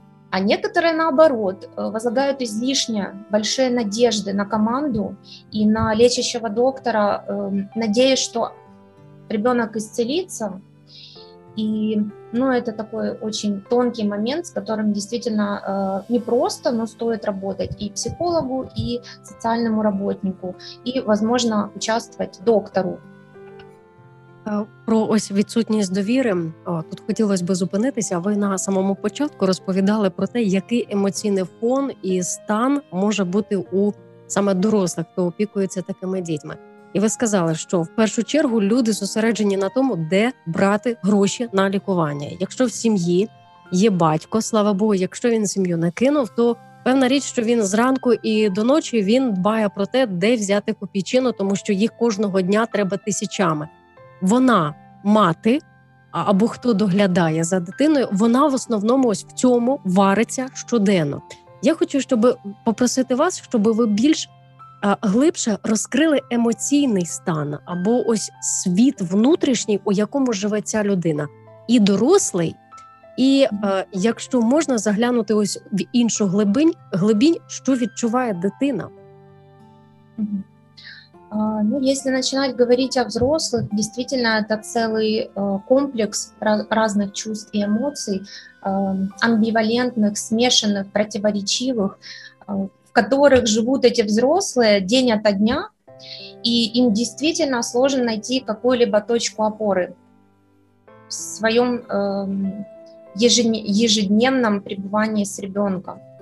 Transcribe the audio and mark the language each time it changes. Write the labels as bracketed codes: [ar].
[ru] А некоторые, наоборот, возлагают излишне большие надежды на команду и на лечащего доктора, надеясь, что ребенок исцелится, это такой очень тонкий момент, с которым действительно непросто, но стоит работать и психологу, и социальному работнику, и, возможно, участвовать доктору. [uk] Про ось відсутність довіри, тут хотілося б зупинитися. Ви на самому початку розповідали про те, який емоційний фон і стан може бути у саме дорослих, хто опікується такими дітьми. І ви сказали, що в першу чергу люди зосереджені на тому, де брати гроші на лікування. Якщо в сім'ї є батько, слава Богу, якщо він сім'ю не кинув, то певна річ, що він зранку і до ночі він дбає про те, де взяти копійчину, тому що їх кожного дня треба тисячами. Вона мати або хто доглядає за дитиною, вона в основному ось в цьому вариться щоденно. Я хочу, щоб попросити вас, щоб ви більш глибше розкрили емоційний стан або ось світ внутрішній, у якому живе ця людина. І дорослий, І якщо можна заглянути ось в іншу глибінь, що відчуває дитина? [ru] Ну, если начинать говорить о взрослых, действительно, это целый комплекс разных чувств и эмоций, амбивалентных, смешанных, противоречивых, в которых живут эти взрослые день ото дня, и им действительно сложно найти какую-либо точку опоры в своем ежедневном пребывании с ребенком.